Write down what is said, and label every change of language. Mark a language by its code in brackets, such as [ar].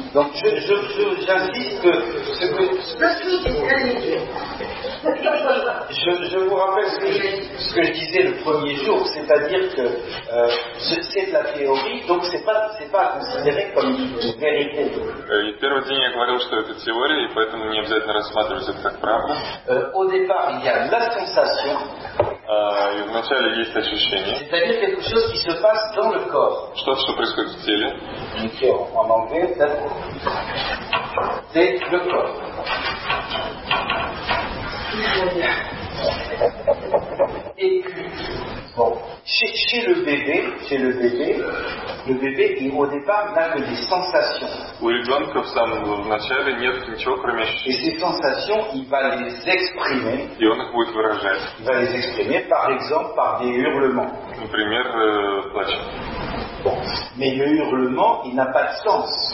[fr] Donc j'insiste que ce que je vous rappelle ce que je disais le premier jour, c'est-à-dire que c'est de la théorie, donc c'est pas considéré comme une vérité. [ru] И первый день я говорил, что это теория, и поэтому не обязательно рассматривать это как правду. [fr] Au départ, il y a la sensation. [ru] И вначале есть ощущение. [fr] C'est-à-dire quelque chose qui se passe dans le corps. [ru] Что-то, что происходит в теле. [fr] En anglais, c'est le corps. Et puis, bon, chez le bébé, le bébé, au départ, n'a que des sensations. [ru] У ребенка в самом начале нет ничего, кроме ощущений. [fr] Et ces sensations, il va les exprimer. [ru] И он их будет выражать. [fr] Il va les exprimer, par exemple, par des hurlements. [ru] Например, плач. [fr] Bon. Mais le hurlement, il n'a pas de sens.